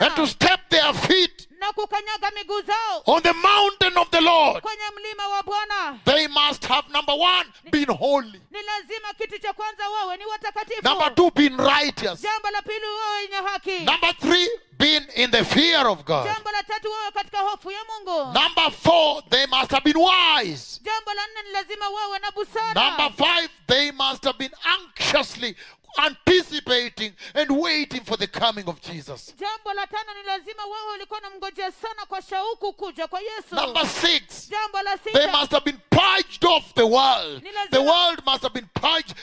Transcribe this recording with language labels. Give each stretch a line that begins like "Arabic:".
English: And to step their feet.
Swahili: Na kukanyaga miguu zao.
English: On the mountain of the Lord.
Swahili: Kwenye mlima wa Bwana.
English: They must have, number one, been holy.
Swahili: Ni lazima kitu cha kwanza wawe ni watakatifu.
English: Number two, being righteous.
Swahili: Jambo la pili wawe wenye haki.
English: Number three, being in the fear of God.
Swahili: Jambo la tatu wawe katika hofu ya Mungu.
English: Number four, they must have been wise.
Swahili: Jambo la nne ni lazima wawe na busara.
English: Number five, they must have been anxiously anticipating and waiting for the coming of Jesus.
Swahili: Jambo la tano ni lazima wao walikuwa wanamngojea sana kwa shauku kuja kwa Yesu.
English: Number six.
Swahili: Jambo la sita.
English: They must have been purged off the the world. The world must have been purged.